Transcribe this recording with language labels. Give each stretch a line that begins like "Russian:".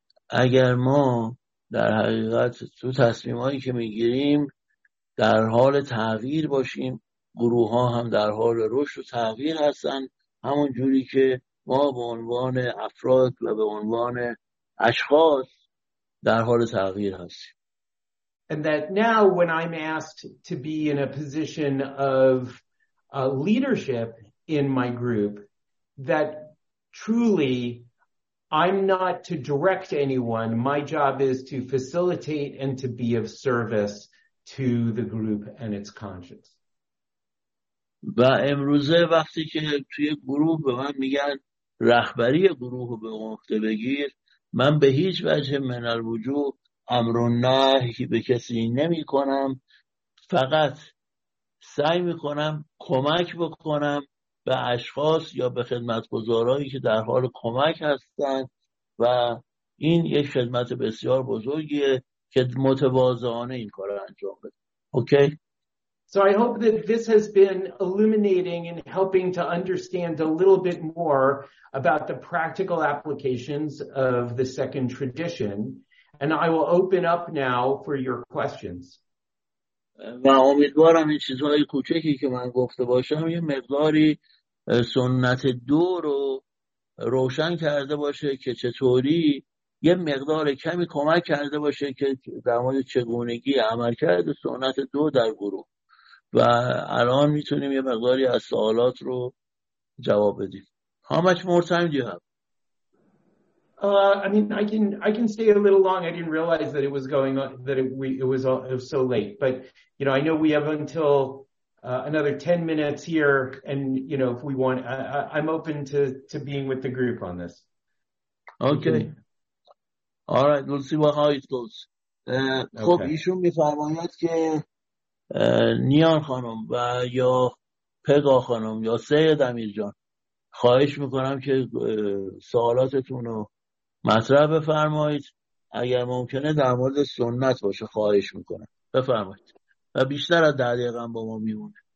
Persian: اگر ما در حقیقت تو تصمیمایی که میگیریم در حال تغییر باشیم، گروه ها هم در حال رشد و تغییر هستن، همون جوری که ما به عنوان افراد و به عنوان اشخاص در حال تغییر هستیم.
English: And that now when I'm asked to be in a position of leadership in my group, that truly I'm not to direct anyone. My job is to facilitate and to be of service to the group and its conscience.
Persian: و امروزه وقتی که توی گروه به من میگن رهبری گروه رو به عهده بگیر، من به هیچ وجه من الوجود امر و نهی به کسی نمی کنم، فقط سعی می کنم کمک بکنم به اشخاص یا به خدمتگزارایی که در حال کمک هستند و این یک خدمت بسیار بزرگیه که متواضعانه این کار رو انجام بده. اوکی؟
English: So I hope that this has been illuminating and helping to understand a little bit more about the practical applications of the second tradition. And I will open up now for your questions.
Persian: و امیدوارم این چیزهای کوچکی که من گفته باشم یه مقداری سنت دو رو روشن کرده باشه که چطوری یه مقدار کمی کمک کرده باشه که در مورد چگونگی عمل کرده سنت دو در گروه و الان میتونیم یه مقداری از سوالات رو جواب بدیم.
English: How much more time do you have? I can stay a little long. I didn't realize that it was going on, it was so late. But you know, I know we have until another 10 minutes here, and you know, if we want, I'm open to being with the group on this. Okay. All right. We'll see how it goes.
Persian: خب ایشون میفرماید که نیان خانم و یا پگا خانم یا سید امیرجان خواهش میکنم که سوالاتتون رو مطرح بفرمایید اگر ممکنه در مورد سنت باشه خواهش میکنم بفرمایید و بیشتر از 10 دقیقه با ما میمونه.